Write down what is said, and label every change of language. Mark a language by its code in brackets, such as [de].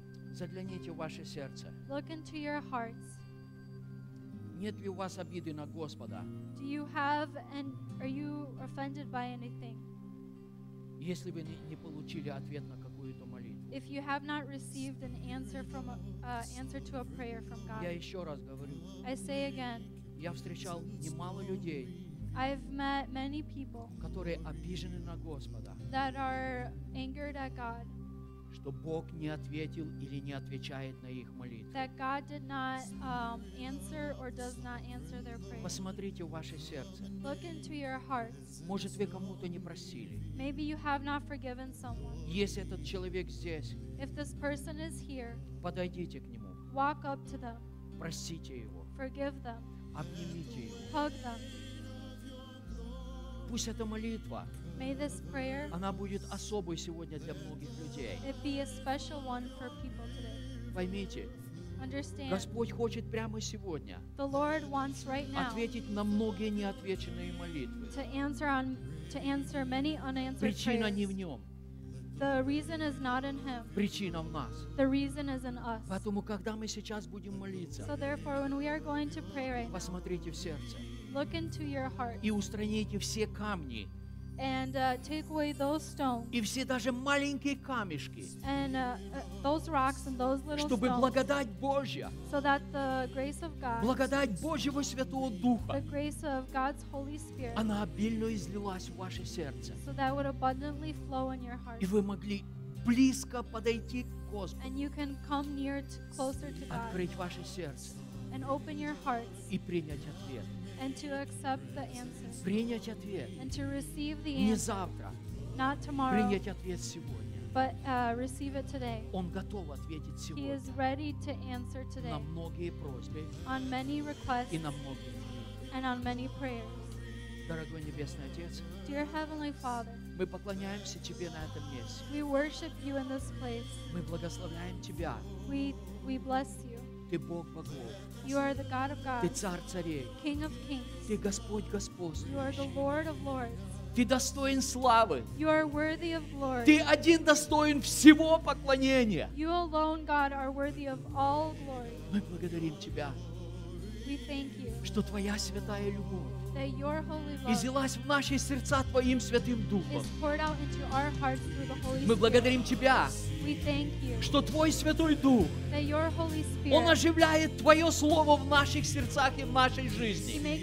[ru] Загляните в ваше сердце. [en] Look into your hearts. [ru] Нет ли у вас обиды на Господа? [en] Do you have and are you offended by anything? [ru] Если вы не получили ответ на какую-то молитву. [en] If you have not received an answer from answer to a prayer from God. [ru] Я еще раз говорю. [en] I say again. [ru] Я встречал немало людей, [en] I've met many people, [ru] которые обижены на Господа, [en] that are angered at God, [ru] что Бог не ответил или не отвечает на их молитвы. [en] That God did not, answer or does not answer their prayers. [ru] Посмотрите в ваше сердце. [en] Look into your hearts. [ru] Может, вы кому-то не просили. [en] Maybe you have not forgiven someone. [ru] Если этот человек здесь, [en] if this person is here, [ru] подойдите к нему. [en] Walk up to them. [ru] Просите его. [en] Forgive them. [ru] Обнимите его. Пусть эта молитва, [en] May this prayer, [ru] она будет особой сегодня для многих людей. [en] It be a special one for people today. [ru] Поймите, [en] Understand. [ru] Господь хочет прямо сегодня [en] The Lord wants right now [ru] ответить на многие неотвеченные молитвы. [en] To answer on, to answer many unanswered [ru] Причина [en] prayers. [ru] Не в нем. [en] The reason is not in him. [ru] Причина в нас. [en] The reason is in us. [ru] Поэтому, когда мы сейчас будем молиться, [en] so therefore, when we are going to pray right now, [ru] посмотрите в сердце. [en] Look into your heart. [ru] И устраните все камни. [en] And take away those stones. [ru] И все даже маленькие камешки. [en] And those rocks and those little [ru] чтобы [en] stones. [ru] Благодать Божья. [en] So that the grace of God. [ru] Благодать Божьего Святого Духа. [en] The grace of God's Holy Spirit. [ru] Она обильно излилась в ваше сердце. [en] So that would abundantly flow in your heart. [ru] И вы могли близко подойти к Господу. [en] And you can come near to, closer to God. [ru] Открыть ваше сердце. [en] And open your hearts. [ru] И принять ответ. [en] And to accept the answer. [ru] Принять ответ. [en] And to receive the answer. [ru] Не завтра. [en] Not tomorrow. [ru] Принять ответ сегодня. [en] But receive it today. [ru] Он готов ответить сегодня. [en] He is ready to answer today. [ru] На многие просьбы. [en] On many requests. [ru] И на многие. [en] And on many prayers. [ru] Дорогой небесный Отец. [en] Dear Heavenly Father. [ru] Мы поклоняемся тебе на этом месте. [en] We worship you in this place. [ru] Мы благословляем тебя. [en] We bless you. [ru] Ты Бог Богов. [en] You are the God of gods. [ru] Ты Царь Царей. [en] King of kings. [ru] Ты Господь Господствующий. [en] You are the Lord of lords. [ru] Ты достоин славы. [en] You are worthy of glory. [ru] Ты один достоин всего поклонения. [en] You alone, God, are worthy of all glory. [ru] Мы благодарим Тебя. [en] We thank you. [ru] Что Твоя святая любовь. [en] That your holy love. [ru] Излилась в наши сердца Твоим святым Духом. [en] Is poured out into our hearts through the Holy Spirit. [ru] Мы благодарим Тебя. [en] We thank you, [ru] что Твой Святой Дух [en] that your Holy Spirit, [ru] Он оживляет Твое Слово в наших сердцах и в нашей жизни.